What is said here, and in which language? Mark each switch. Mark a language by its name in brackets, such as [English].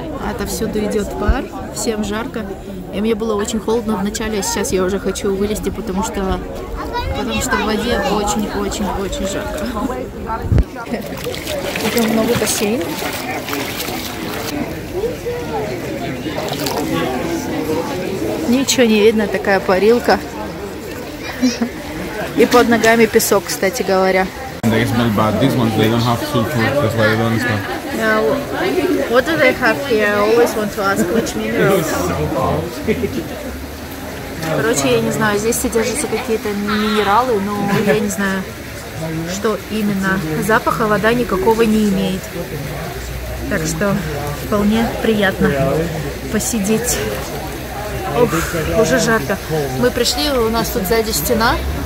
[Russian] Отовсюду идет пар, всем жарко. И мне было очень холодно вначале, а сейчас я уже хочу вылезти, потому что в воде очень-очень-очень жарко. Тут много бассейн. Ничего не видно, такая парилка. И под ногами песок, кстати говоря. [English] They smell bad. These ones, they don't have sulfur. That's why they don't smell. Now, what do they have here? I always want to ask which minerals. [Russian] Короче, я не знаю, здесь содержатся какие-то минералы, но я не знаю, что именно. Запаха вода никакого не имеет. Так что вполне приятно посидеть. Ох, уже жарко. Мы пришли, у нас тут сзади стена.